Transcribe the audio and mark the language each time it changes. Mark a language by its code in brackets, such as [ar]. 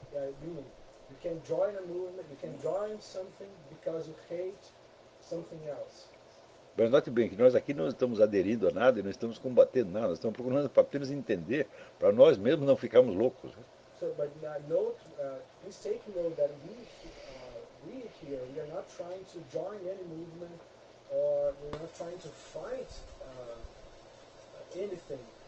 [en] You can join a movement, you can join something because you hate something else. [pt] Mas note bem que nós aqui não estamos aderindo a nada e não estamos combatendo nada, nós estamos procurando apenas entender, para nós mesmos não ficarmos loucos. [en] So, but note, please take note that we here, we are not trying to join any movement, or we're not trying to fight anything.